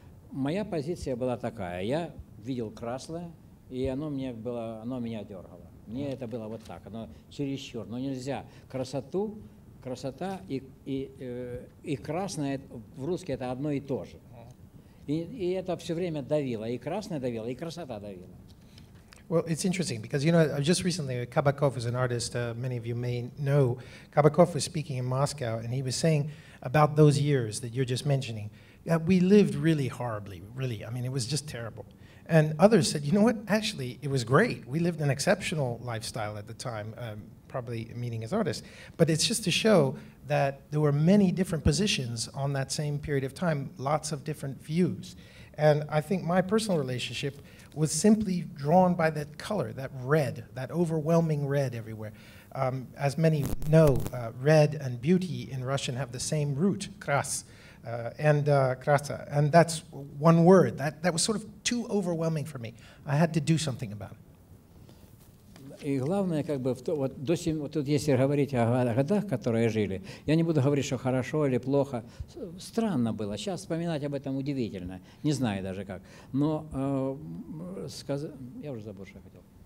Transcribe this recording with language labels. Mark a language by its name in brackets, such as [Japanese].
[Russian] Моя позиция была такая, я видел красное, и оно меня дергало. Мне это было вот так, оно чересчур. Но нельзя. Красота и красное, в русском это одно и то же. И это все время давило. И красное давило, и красота давила. [English] Well, it's interesting because, you know, just recently Kabakov is an artist, many of you may know. Kabakov was speaking in Moscow and he was saying about those years that you're just mentioning, that we lived really horribly, really. I mean, it was just terrible. And others said, you know what, actually, it was great. We lived an exceptional lifestyle at the time, probably meaning as artists. But it's just to show that there were many different positions on that same period of time, lots of different views. And I think my personal relationship was simply drawn by that color, that red, that overwhelming red everywhere. As many know, red and beauty in Russian have the same root, kras. Krasa, and that's one word. That was sort of too overwhelming for me. I had to do something about it. [Russian] И главное, как бы, вот до сих пор, тут если говорить о годах, которые жили, я не буду говорить, что хорошо или плохо. Странно было. Сейчас вспоминать об этом удивительно. Не знаю даже как. Но я уже забыл, что я хотел.